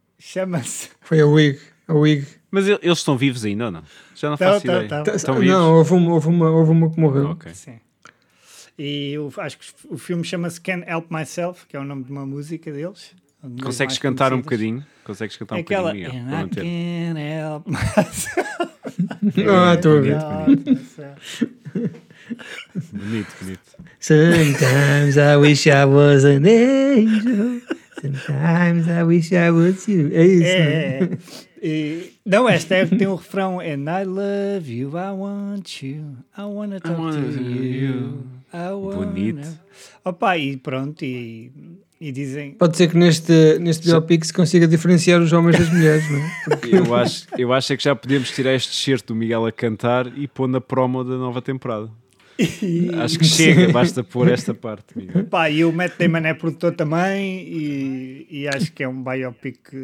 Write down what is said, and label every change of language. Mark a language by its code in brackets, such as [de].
[pt] Chama-se... Foi a Wiig. Mas eles estão vivos ainda, ou não? Já não faço ideia. Estão vivos? Não, houve uma que morreu. Okay. Sim. E acho que o filme chama-se Can't Help Myself, que é o nome de uma música deles. Consegues cantar um bocadinho? Consegues cantar aquela, um bocadinho? Aquela, can't help myself. Ah, estou a ver. Bonito. [en] Sometimes I wish I was an angel, sometimes I wish I was you. [pt] É isso, é. Não, esta é que tem um refrão. [en] And I love you, I want you, I wanna talk to you. [pt] Bonito. Opa, e pronto, e dizem... Pode ser que neste biopic se consiga diferenciar os homens das mulheres, não é? Porque... Eu acho que já podemos tirar este excerto do Miguel a cantar e pôr na promo da nova temporada. Acho que chega, basta pôr esta parte. Opa, e o Matt Damon é produtor também e acho que é um biopic...